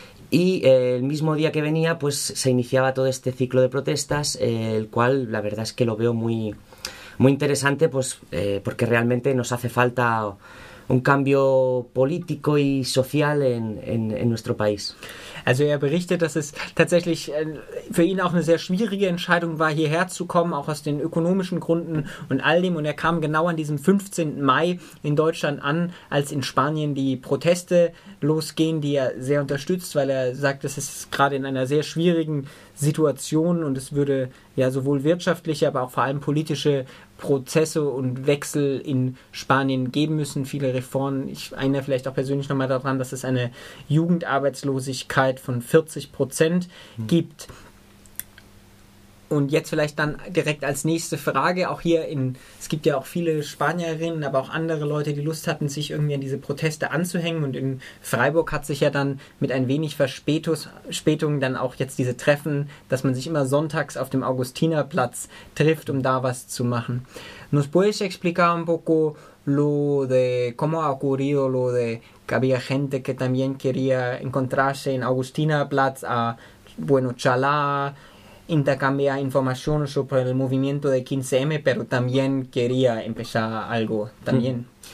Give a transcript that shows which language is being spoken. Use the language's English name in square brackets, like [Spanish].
[Spanish] Y el mismo día que venía, pues se iniciaba todo este ciclo de protestas, el cual la verdad es que lo veo muy interesante, pues porque realmente nos hace falta un cambio político y social en nuestro país. [German] Also er berichtet, dass es tatsächlich für ihn auch eine sehr schwierige Entscheidung war, hierher zu kommen, auch aus den ökonomischen Gründen und all dem. Und er kam genau an diesem 15. Mai in Deutschland an, als in Spanien die Proteste losgehen, die er sehr unterstützt, weil er sagt, es ist gerade in einer sehr schwierigen Situation und es würde ja sowohl wirtschaftliche, aber auch vor allem politische Prozesse und Wechsel in Spanien geben müssen, viele Reformen. Ich erinnere vielleicht auch persönlich nochmal daran, dass es eine Jugendarbeitslosigkeit von 40% gibt. Und jetzt vielleicht dann direkt als nächste Frage, auch hier es gibt ja auch viele Spanierinnen, aber auch andere Leute, die Lust hatten, sich irgendwie an diese Proteste anzuhängen. Und in Freiburg hat sich ja dann mit ein wenig Verspätung dann auch jetzt diese Treffen, dass man sich immer sonntags auf dem Augustinerplatz trifft, um da was zu machen. [Spanish] ¿Nos puedes explicar un poco lo de cómo ha ocurrido lo de que había gente que también quería encontrarse en Augustinerplatz a Bueno Chalá? Intercambiar informaciones sobre el movimiento de 15M, pero también quería empezar algo también.